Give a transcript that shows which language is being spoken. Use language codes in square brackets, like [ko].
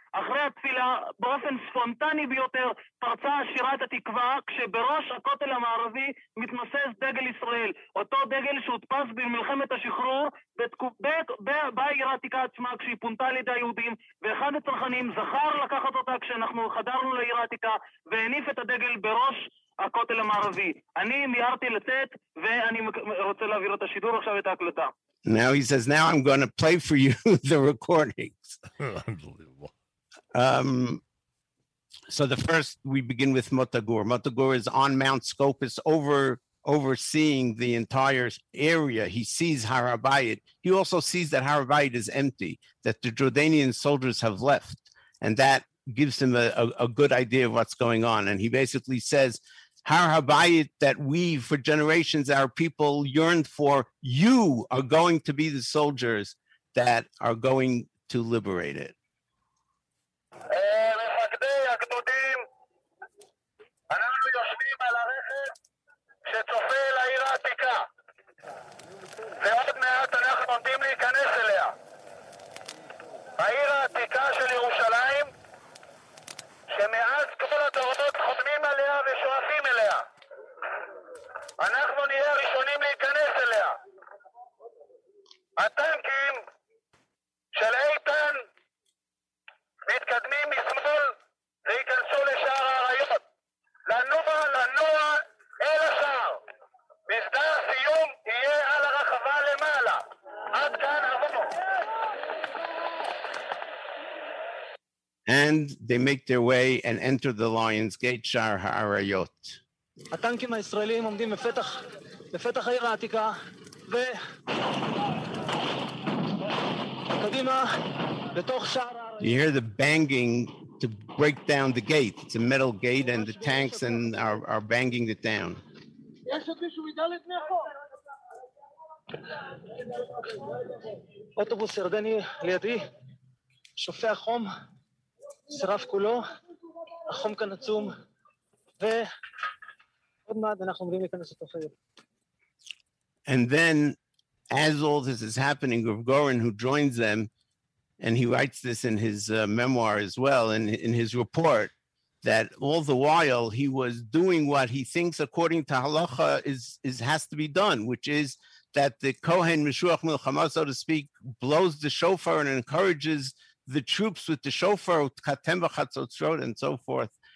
[he] אחרי התפילה, באופן ספונטני ביותר, פרצה שירת התקווה, כשבראש הכותל המערבי מתנוסס דגל ישראל, אותו דגל שהודפס במלחמת השחרור, בעיר העתיקה עצמה, כשהיא פונתה על ידי היהודים, ואחד הצרכנים זכר לקחת אותה כשאנחנו חדרנו לעיר העתיקה, והניף את הדגל בראש הכותל המערבי. אני מיהרתי לצאת, ואני רוצה להעביר את השידור עכשיו את ההקלטה. [en] Now he says, now I'm going to play for you the recordings. Unbelievable. So the first, we begin with Motagur. Motagur is on Mount Scopus overseeing the entire area. He sees Har HaBayit. He also sees that Har HaBayit is empty, that the Jordanian soldiers have left. And that gives him a good idea of what's going on. And he basically says, Har HaBayit that we, for generations, our people yearned for, you are going to be the soldiers that are going to liberate it. [he] מפקדי הגדודים, אנחנו יושבים על הרכב שצופה אל העיר העתיקה. ועוד מעט אנחנו עומדים להיכנס אליה. העיר העתיקה של ירושלים, שמאז כל הדורות חותמים עליה ושואפים אליה. אנחנו נהיה הראשונים להיכנס אליה. הטנקים של איתן מתקדמים משמאל להיכנסו לשער העריות. לנוע אל השער. מסדר סיום יהיה על הרחבה למעלה. עד כאן עבור. [en] And they make their way and enter the Lion's Gate, Shar Ha'arayot. [he] הטנקים הישראלים עומדים בפתח העיר העתיקה, וקדימה, בתוך שער העריות. [en] You hear the banging to break down the gate. It's a metal gate, and the tanks and are banging it down. [he] יש עוד מישהו ידע לפני פה? אוטובוס ירדני לידי, שופע חום. שרף כולו, החום כאן עצום, ועוד מעט אנחנו עומדים להיכנס לתוך העיר. [en] And then, as all this is happening, Rav Gorin, who joins them, and he writes this in his memoir as well, in his report, that all the while he was doing what he thinks, according to halacha, has to be done, which is that the Kohen Meshuach Melchama, so to speak, blows the shofar and encourages the troops with the shofar, [he] katem v'chatzot shrot, [en] and so forth.